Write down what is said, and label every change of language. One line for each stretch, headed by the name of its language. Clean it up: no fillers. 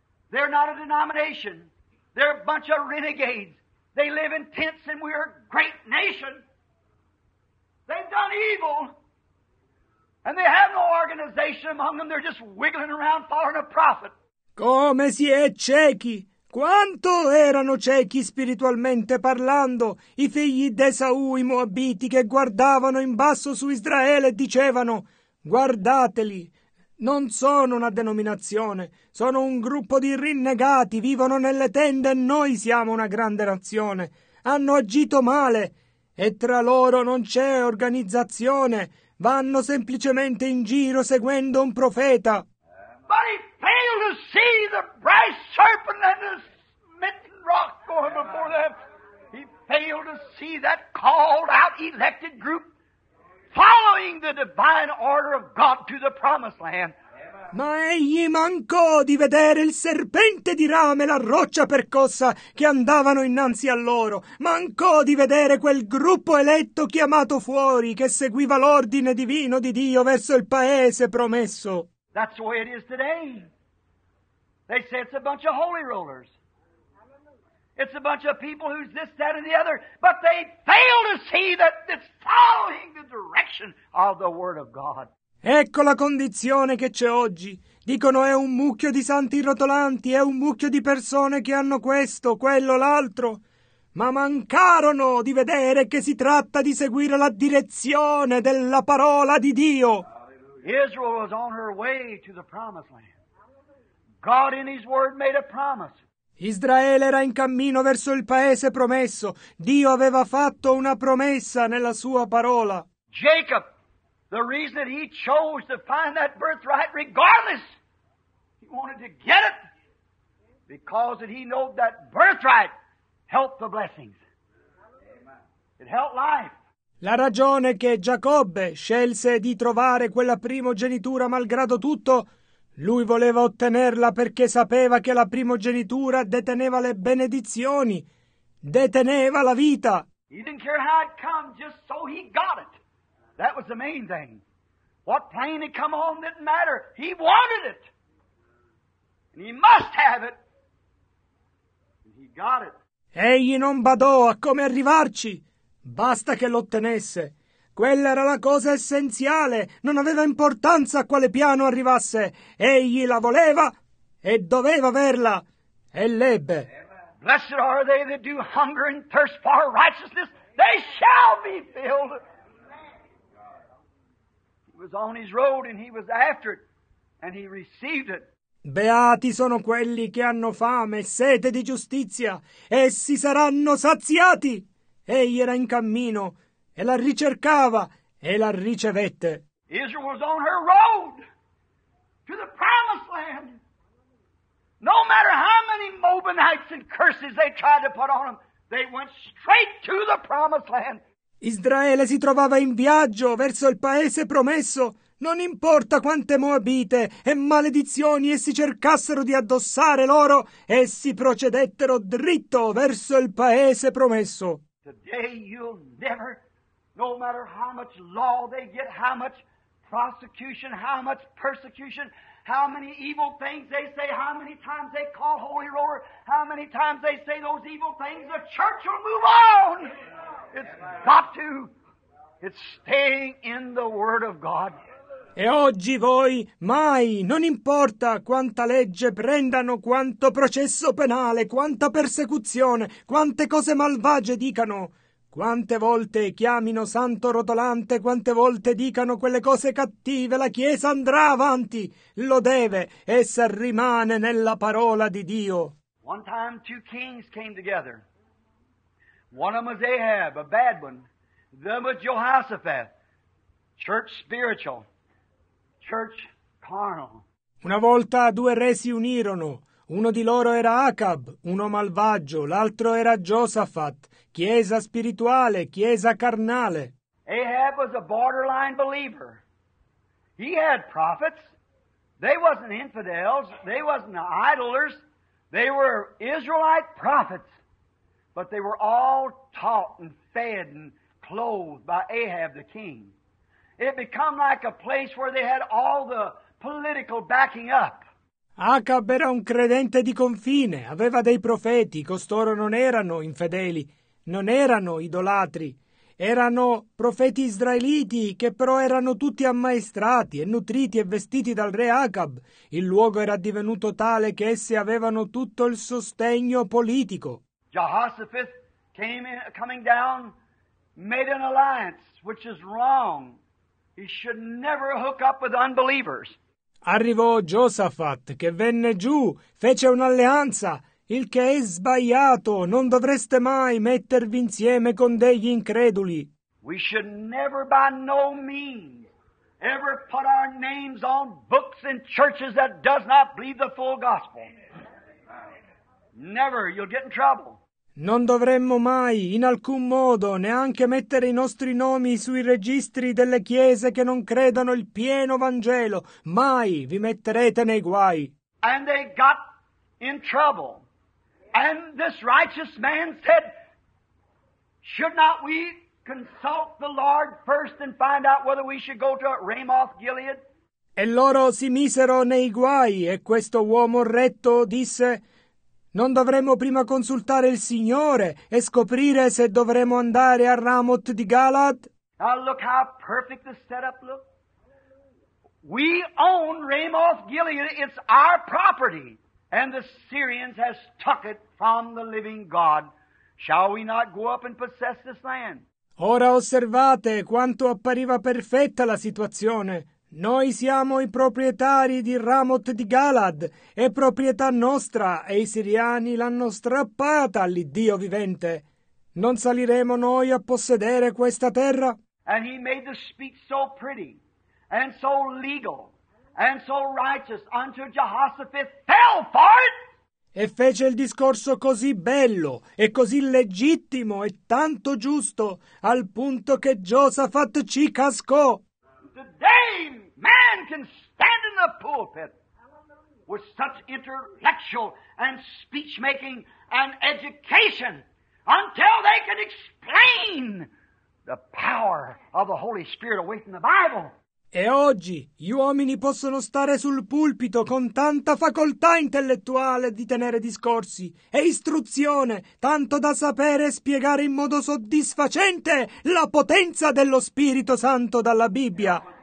English: They're not a denomination. They're a bunch of renegades. They live in tents and we're a great nation. They've done evil. And they have no organization among them. They're just wiggling around following a prophet.
Italian: Come si è ciechi! Quanto erano ciechi spiritualmente parlando i figli d'Esaù, i Moabiti, che guardavano in basso su Israele e dicevano: guardateli, non sono una denominazione, sono un gruppo di rinnegati, vivono nelle tende e noi siamo una grande nazione. Hanno agito male e tra loro non c'è organizzazione, vanno semplicemente in giro seguendo un profeta.
English: Failed to see the brass serpent and the smitten rock going before them. He failed to see that called out elected group following the divine order of God to the promised land.
Italian: Ma egli mancò di vedere il serpente di rame, la roccia percossa che andavano innanzi a loro. Mancò di vedere quel gruppo eletto chiamato fuori che seguiva l'ordine divino di Dio verso il paese promesso.
English: That's the way it is today. They say it's a bunch of holy rollers. It's a bunch of people who's this, that, and the other. But they fail to see that it's following the direction of the Word of God.
Italian: Ecco la condizione che c'è oggi. Dicono è un mucchio di santi rotolanti, è un mucchio di persone che hanno questo, quello, l'altro. Ma mancarono di vedere che si tratta di seguire la direzione della parola di Dio.
English: Israel was on her way to the promised land. God in His Word made a promise.
Italian: Israele era in cammino verso il paese promesso. Dio aveva fatto una promessa nella sua parola.
English: Jacob, the reason that he chose to find that birthright, regardless, he wanted to get it because that he knew that birthright helped the blessings. It helped life.
Italian: La ragione che Giacobbe scelse di trovare quella primogenitura malgrado tutto, lui voleva ottenerla perché sapeva che la primogenitura deteneva le benedizioni, deteneva la vita.
English: He didn't care how it come, just so he got it. That was the main thing. What plane it come on didn't matter. He wanted it. And he must have it. And he got it.
Italian: Egli non badò a come arrivarci. Basta che l'ottenesse. Quella era la cosa essenziale. Non aveva importanza a quale piano arrivasse. Egli la voleva e doveva averla. E l'ebbe.
English: Blessed are they that do hunger and thirst for righteousness. They shall be filled. He was on his road and he was after it. And he received it.
Italian: Beati sono quelli che hanno fame e sete di giustizia. Essi saranno saziati. Egli era in cammino e la ricercava e la ricevette.
English: Israel was on her road to the promised land. No matter how many Mobanites and curses they tried to put on them, they went straight to the promised land.
Italian: Israele si trovava in viaggio verso il paese promesso. Non importa quante Moabite e maledizioni essi cercassero di addossare loro, essi procedettero dritto verso il paese promesso.
English: Today you'll never, no matter how much law they get, how much prosecution, how much persecution, how many evil things they say, how many times they call holy roller, how many times they say those evil things, the church will move on. It's got to. It's staying in the Word of God.
Italian: E oggi voi, mai, non importa quanta legge prendano, quanto processo penale, quanta persecuzione, quante cose malvagie dicano, quante volte chiamino santo rotolante, quante volte dicano quelle cose cattive, la Chiesa andrà avanti, lo deve, essa rimane nella parola di Dio.
English: One time two kings came together. One of them was Ahab, a bad one. The other was Jehoshaphat, church spiritual. Church carnal.
Italian: Una volta due re si unirono. Uno di loro era Acab, uno malvagio. L'altro era Josafat, chiesa spirituale, chiesa carnale.
English: Ahab was a borderline believer. He had prophets. They wasn't infidels. They wasn't idolers. They were Israelite prophets. But they were all taught and fed and clothed by Ahab the king. It became like a place where they had all the political backing up.
Italian: Acab era un credente di confine, aveva dei profeti, costoro non erano infedeli, non erano idolatri, erano profeti israeliti che però erano tutti ammaestrati e nutriti e vestiti dal re Acab. Il luogo era divenuto tale che essi avevano tutto il sostegno politico.
English: Jehoshaphat came in, coming down, made an alliance, which is wrong. He should never hook up with unbelievers.
Italian: Arrivò Josafat, che venne giù, fece un'alleanza, il che è sbagliato, non dovreste mai mettervi insieme con degli increduli.
English: We should never by no means ever put our names on books in churches that does not believe the full gospel. Never, you'll get in trouble.
Italian: Non dovremmo mai, in alcun modo, neanche mettere i nostri nomi sui registri delle chiese che non credono il pieno Vangelo. Mai vi metterete nei guai.
English: And they got in trouble. And this righteous man said, should not we consult the Lord first and find out whether we should go to Ramoth Gilead?
Italian: E loro si misero nei guai, e questo uomo retto disse, non dovremmo prima consultare il Signore e scoprire se dovremmo andare a Ramoth di Galaad?
English: Now look how perfect the setup looks. We own Ramoth Gilead, it's our property, and the Syrians has took it from the living God. Shall we not go up and possess this land?
Italian: Ora osservate quanto appariva perfetta la situazione. Noi siamo i proprietari di Ramoth di Galaad, è proprietà nostra, e i siriani l'hanno strappata all'Iddio vivente. Non saliremo noi a possedere questa terra?
English: And he made the speech so pretty, and so legal, and so righteous, until Jehoshaphat fell for it!
Italian: E fece il discorso così bello e così legittimo e tanto giusto, al punto che Josafat ci cascò.
English: Today man can stand in the pulpit with such intellectual and speech making and education until they can explain the power of the Holy Spirit away from the Bible.
Italian: E oggi gli uomini possono stare sul pulpito con tanta facoltà intellettuale di tenere discorsi e istruzione, tanto da sapere spiegare in modo soddisfacente la potenza dello Spirito Santo dalla Bibbia.